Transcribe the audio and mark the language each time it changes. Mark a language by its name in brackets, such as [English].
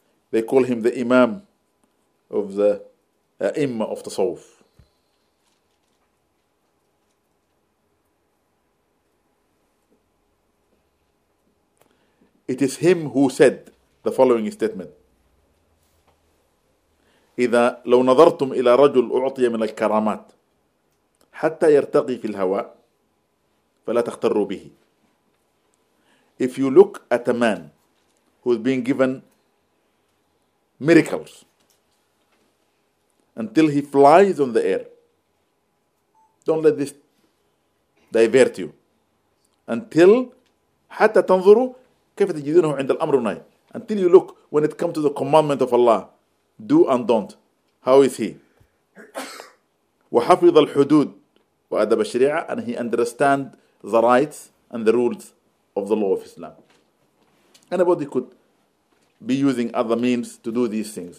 [English] They call him the Imam of the Imma of Tasawuf. It is him who said the following statement. [Arabic] إذا لو نظرتم إلى رجل أعطي من الكرامات حتى يرتقي في الهواء فلا تغتروا به. [English] If you look at a man who's been given miracles until he flies on the air, don't let this divert you. Until [Arabic] حتى تنظروا كيف تجدونه عند الأمر ناي. [English] Until you look when it comes to the commandment of Allah, do and don't. How is he? [Arabic] وحفظ الحدود وأدب الشريعة, [English] and he understand the rights and the rules of the law of Islam. Anybody could be using other means to do these things.